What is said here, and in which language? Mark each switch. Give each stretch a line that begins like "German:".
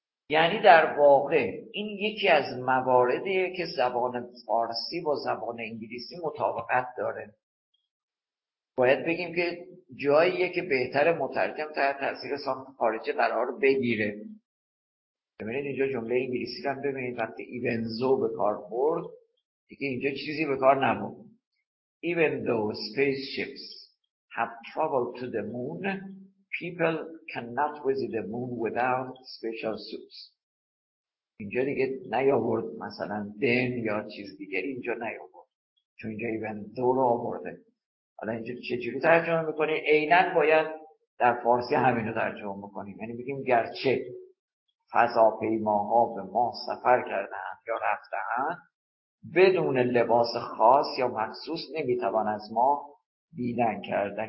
Persian: یعنی در واقع این یکی از مواردیه که زبان فارسی با زبان انگلیسی مطابقت داره. باید بگیم که جاییه که بهتر مترجم تحت تاثیر سان خارجه قرار بگیره. ببینید اینجا جمله انگلیسی رو ببینید، وقتی even though به کار برد دیگه اینجا چیزی به کار نبود.
English: Even though spaceships have traveled to the moon, people cannot visit the moon without special suits.
Persian: اینجا دیگه نیاورد مثلا then یا چیز دیگری اینجا نیاورد، چون اینجا even though رو آورده. حالا اینجا چجوری ترجمه میکنی؟ عیناً باید در فارسی همین رو ترجمه میکنیم، یعنی بگیم گرچه فضاپیماها به ما سفر کردن یا رفتن، بدون لباس خاص یا مخصوص نمیتوان از ما دیدن کردن.